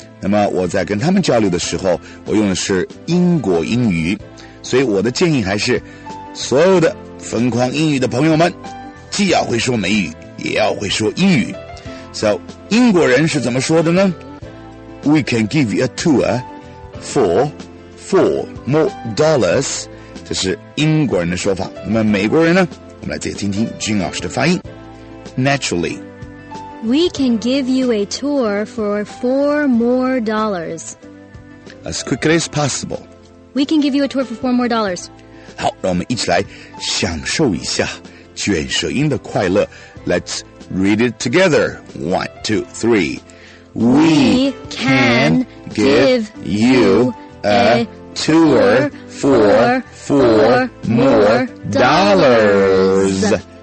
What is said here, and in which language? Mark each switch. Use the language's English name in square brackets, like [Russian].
[Chinese] 那么我在跟他们交流的时候，我用的是英国英语，所以我的建议还是，所有的疯狂英语的朋友们，既要会说美语，也要会说英语。 [English] So, [Chinese] 英国人是怎么说的呢 [English] ？We can give you a tour for $4 more. [Chinese] 这是英国人的说法。那么美国人呢？我们来再听听君老师的发音。 [English] Naturally. We can give you a tour for $4 more. As quickly as possible. We can give you a tour for $4 more. [Chinese] 好，让我们一起来享受一下卷舌音的快乐。 [English] Let's read it together. One, two, three. We can give you a tour for $4 more.